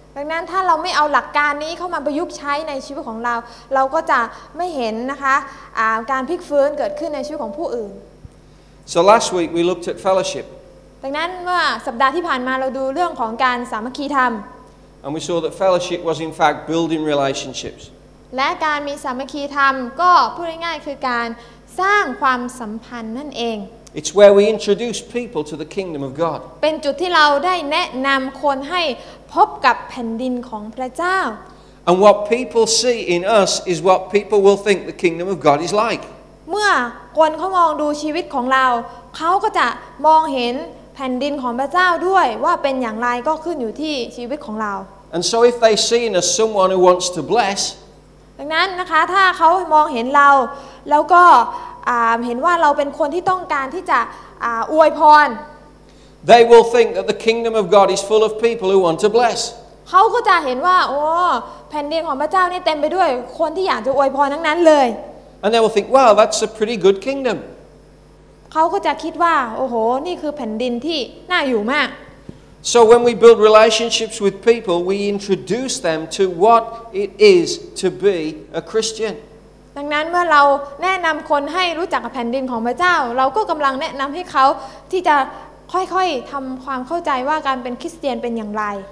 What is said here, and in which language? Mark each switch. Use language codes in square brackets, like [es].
[th] ดังนั้นถ้าเราไม่เอาหลักการนี้เข้ามาประยุกต์ใช้ในชีวิตของเราเราก็จะไม่เห็นนะคะการพลิกฟื้นเกิดขึ้นในชีวิตของผู้อื่น [en] So last week we looked at fellowship [th] ดังนั้นเมื่อสัปดาห์ที่ผ่านมาเราดูเรื่องของการสามัคคีธรรม [en] And we saw that fellowship was in fact building relationships [th] และการมีสามัคคีธรรมก็พูดง่ายๆคือการสร้างความสัมพันธ์นั่นเอง [en] It's where we introduce people to the kingdom of God. [th] เป็นจุดที่เราได้แนะนำคนให้พบกับแผ่นดินของพระเจ้า [en] And what people see in us is what people will think the kingdom of God is like. [th] เมื่อคนเขามองดูชีวิตของเราเขาก็จะมองเห็นแผ่นดินของพระเจ้าด้วยว่าเป็นอย่างไรก็ขึ้นอยู่ที่ชีวิตของเรา [en] And so if they see in us someone who wants to bless. [th] ดังนั้นนะคะถ้าเขามองเห็นเราแล้วก็เห็นว่าเราเป็นคนที่ต้องการที่จะอวยพร [en] They will think that the kingdom of God is full of people who want to bless [th] เขาก็จะเห็นว่าโอ้แผ่นดินของพระเจ้านี่เต็มไปด้วยคนที่อยากจะอวยพรทั้งนั้นเลย [en] And they will think wow that's a pretty good kingdom [th] เขาก็จะคิดว่าโอ้โหนี่คือแผ่นดินที่น่าอยู่มาก [en] So when we build relationships with people we introduce them to what it is to be a Christian [th] ดังนั้นเมื่อเราแนะนำคนให้รู้จักแผ่นดินของพระเจ้าเราก็กำลังแนะนำให้เขาที่จะค่อยๆทำความเข้าใจว่าการเป็นคริสเตียนเป็นอย่างไร